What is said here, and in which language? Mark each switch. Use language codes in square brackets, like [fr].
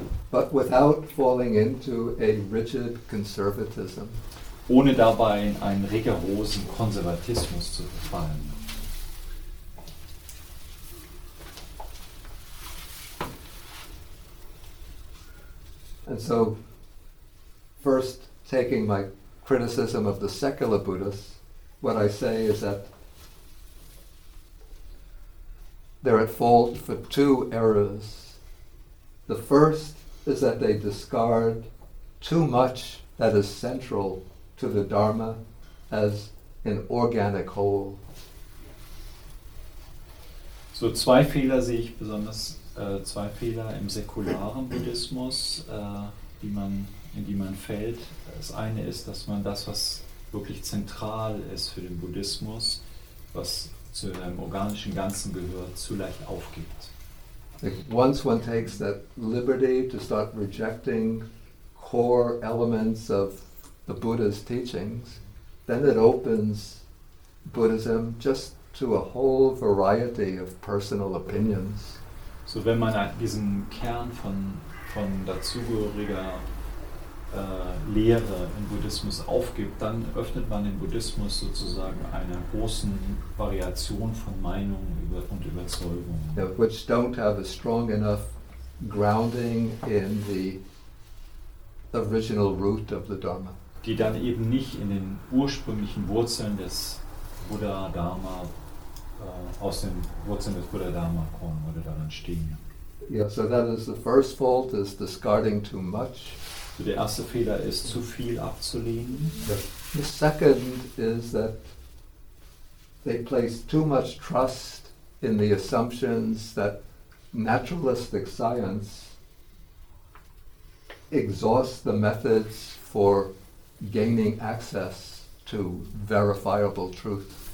[en] But without falling into a rigid conservatism. [de] Ohne dabei in einen rigorosen Konservatismus zu verfallen. [en] And so, first taking my criticism of the secular Buddhists, what I say is that they're at fault for two errors. The first is that they discard too much that is central to the Dharma as an organic whole. [de] So zwei Fehler sehe ich besonders, zwei Fehler im säkularen Buddhismus, in die man fällt. Das eine ist, dass man das, was wirklich zentral ist für den Buddhismus, was zu einem organischen Ganzen gehört, zu leicht aufgibt. [en] Like once one takes that liberty to start rejecting core elements of the Buddha's teachings, then it opens Buddhism just to a whole variety of personal opinions. [de] So wenn man diesen Kern von dazugehöriger Lehre im Buddhismus aufgibt, dann öffnet man im Buddhismus sozusagen einer großen Variation von Meinungen und Überzeugungen. [en] Yeah, which don't have a strong enough grounding in the original root of the Dharma. [de] Die dann eben nicht in den ursprünglichen Wurzeln des Buddha Dharma aus den Wurzeln des Buddha Dharma kommen oder daran stehen. [en] Yeah, so that is the first fault, is discarding too much. [de] So der erste Fehler ist, zu viel abzulehnen. [en] The second is that they place too much trust in the assumptions that naturalistic science exhausts the methods for gaining access to verifiable truth.